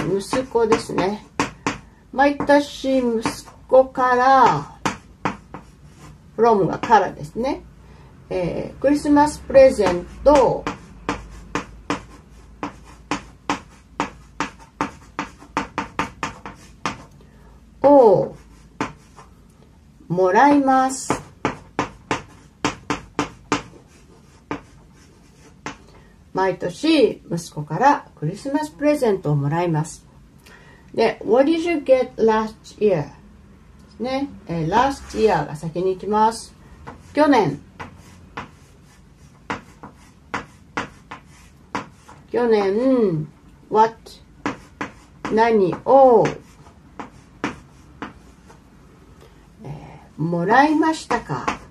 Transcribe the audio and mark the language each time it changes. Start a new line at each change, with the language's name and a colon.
Japanese: 息子ですね。毎年息子から、 from がからですね、クリスマスプレゼントををもらいます。毎年息子からクリスマスプレゼントをもらいます。で、
English: What did you get last year?
Japanese: ね、
English: last year
Japanese: が先に行きます。去年、去年、
English: What?
Japanese: 何を、もらいましたか。